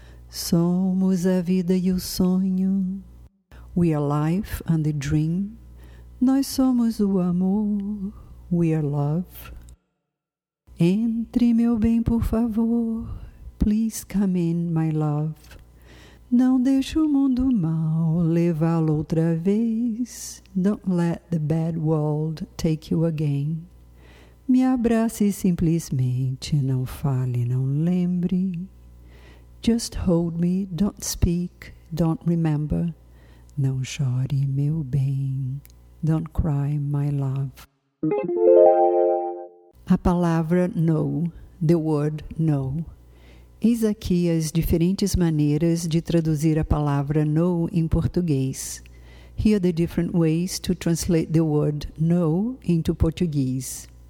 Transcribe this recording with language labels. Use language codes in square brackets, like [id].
[pt] Somos a vida e o sonho. [en] We are life and the dream. [pt] Nós somos o amor. [en] We are love. [pt] Entre, meu bem, por favor. [en] Please come in, my love. [pt] Não deixe o mundo mal levá-lo outra vez. [en] Don't let the bad world take you again. [pt] Me abrace simplesmente, não fale, não lembre. [en] Just hold me, don't speak, don't remember. [pt] Não chore, meu bem. [en] Don't cry, my love. [pt] A palavra no, [en] the word no. [pt] Eis aqui as diferentes maneiras de traduzir a palavra no em português. [en] Here are the different ways to translate the word no into Portuguese.